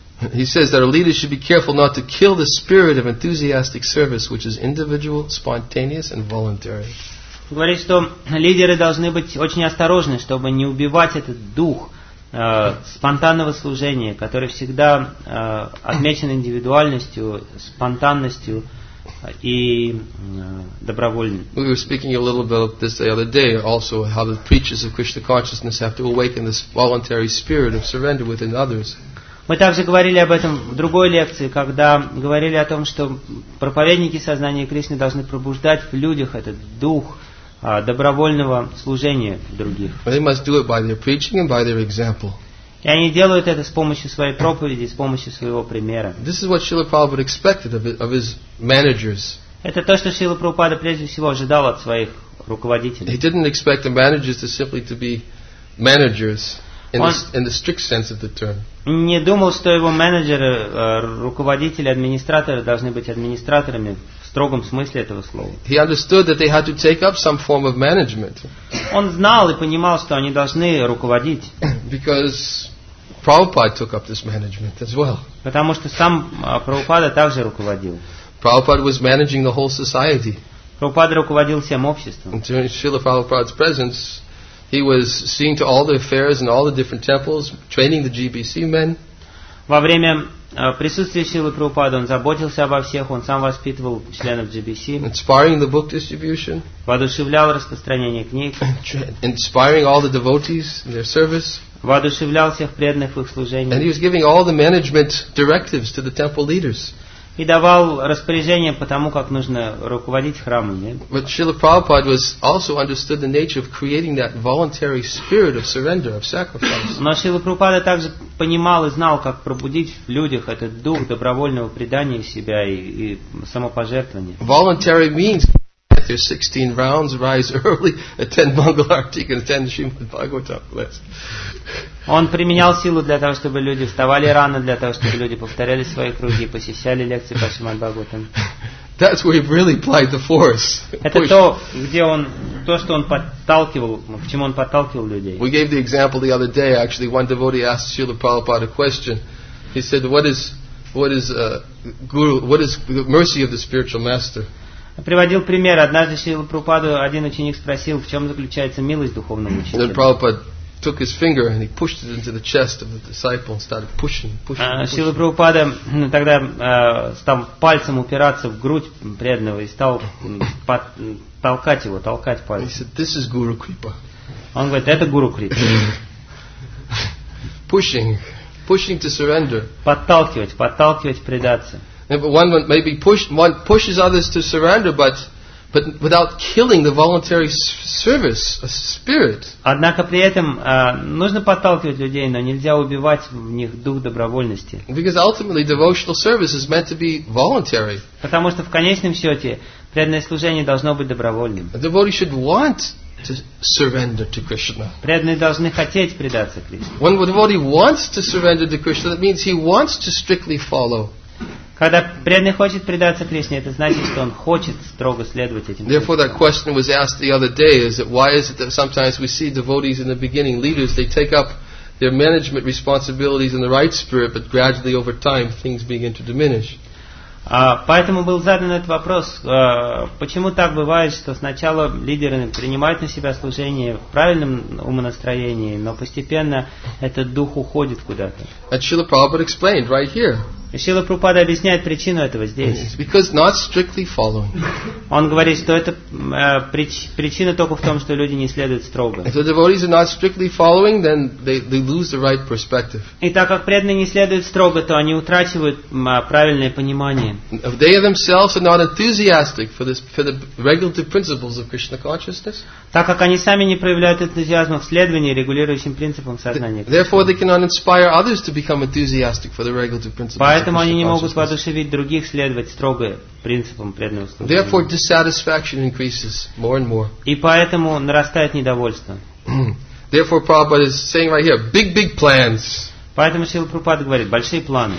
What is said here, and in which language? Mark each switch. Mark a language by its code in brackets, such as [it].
[en] He says that a leader should be careful not to kill the spirit of enthusiastic service, which is individual, spontaneous, and voluntary. [ru] Говорит, что лидеры должны быть очень осторожны, чтобы не убивать этот дух спонтанного служения, который всегда отмечен индивидуальностью, спонтанностью и добровольным. [en] We were speaking a little bit about this the other day, also how the preachers of Krishna consciousness have to awaken this voluntary spirit of surrender within others. [ru] Мы также говорили об этом в другой лекции, когда говорили о том, что проповедники сознания Кришны должны пробуждать в людях этот дух добровольного служения других. [en] They must do it by their preaching and by their example. [ru] И они делают это с помощью своей проповеди, с помощью своего примера. [en] This is what Srila Prabhupada expected of his managers. [ru] Это то, что Шрила Прабхупада прежде всего ожидал от своих руководителей. [en] He didn't expect the managers to simply to be managers. In the strict sense of the term. [ru] Не думал, что его менеджеры, руководители, администраторы должны быть администраторами в строгом смысле этого слова. [en] He understood that they had to take up some form of management. [ru] Он знал и понимал, что они должны руководить. [en] Because Prabhupada took up this management as well. [ru] Потому что сам Прабхупада также руководил. [en] Prabhupada was managing the whole society. [ru] Прабхупада руководил всем обществом. [en] And during Srila Prabhupada's presence, he was seeing to all the affairs in all the different temples, training the GBC men. [ru] Во время присутствия Шрилы Прабхупады он заботился обо всех, он сам воспитывал членов GBC. [en] Inspiring the book distribution. [ru] Воодушевлял распространение книг. [en] Inspiring all the devotees in their service. [ru] Воодушевлял всех преданных в их служении. [en] And he was giving all the management directives to the temple leaders. [ru] И давал распоряжения по тому, как нужно руководить храмом. [en] But Srila Prabhupada was also understood the nature of creating that voluntary spirit of surrender, of sacrifice. [ru] Но Шрила Прабхупада также понимал и знал, как пробудить в людях этот дух добровольного предания себя и самопожертвования. [en] Voluntary means that there's 16 rounds, rise early, attend Mangala Arati, attend Srimad Bhagavatam class. [ru] Он применял силу для того, чтобы люди вставали рано, для того, чтобы люди повторяли свои круги, посещали лекции по Шримад Бхагаватам. [en] That's where he really applied the force. [ru] Это то, где он, то, что он подталкивал, к чему он подталкивал людей. [en] We gave the example the other day, actually. One devotee asked Srila Prabhupada a question. He said, what is the mercy of the spiritual master? [ru] Приводил пример. Однажды Шрила Прабхупаду один ученик спросил, в чем заключается милость духовного учителя. [en] Took his finger and he pushed it into the chest of the disciple and started pushing. [ru] Шрила Прабхупада тогда стал пальцем упираться в грудь преданного и стал толкать его, толкать пальцем. [en] He said, "This is guru kripa." [ru] Он говорит, это гуру крипа. [en] Pushing to surrender. [ru] Подталкивать, предаться. [en] But one maybe one pushes others to surrender, but without killing the voluntary service spirit. [ru] Однако при этом нужно подталкивать людей, но нельзя убивать в них дух добровольности. [en] Because ultimately devotional service is meant to be voluntary. [ru] Потому что в конечном счете преданное служение должно быть добровольным. [en] A devotee should want to surrender to Krishna. [ru] Преданные должны хотеть предаться Кришне. [en] When a devotee wants to surrender to Krishna, that means he wants to strictly follow. [ru] Когда преданный хочет предаться Кришне, это значит, что он хочет строго следовать этим. [en] Therefore, that question was asked the other day: is that why is it that sometimes we see devotees in the beginning, leaders, they take up their management responsibilities in the right spirit, but gradually over time things begin to diminish? [ru] Поэтому был задан этот вопрос: почему так бывает, что сначала лидеры принимают на себя служение в правильном умонастроении, но постепенно этот дух уходит куда-то? [en] And Srila Prabhupada explained right here. [ru] И Шрила Прабхупада объясняет причину этого здесь. [en] Because not strictly following. [ru] Он говорит, что это причина только в том, что люди не следуют строго. [en] If the devotees are not strictly following, then they lose the right perspective. [ru] И так как преданные не следуют строго, то они утрачивают правильное понимание. [en] If they themselves are not enthusiastic for the regulative principles of Krishna consciousness. [ru] Так как они сами не проявляют энтузиазма в следовании регулирующим принципам сознания. [en] Therefore, they cannot inspire others to become enthusiastic for the regulative principles. [ru] поэтому они не могут воодушевить других следовать строго принципам преданного служения. [en] Therefore, dissatisfaction increases more and more. [ru] И поэтому нарастает недовольство. [en] Therefore, Prabhupada is saying right here, big, big plans. [ru] Поэтому Шрила Прабхупада говорит, большие планы.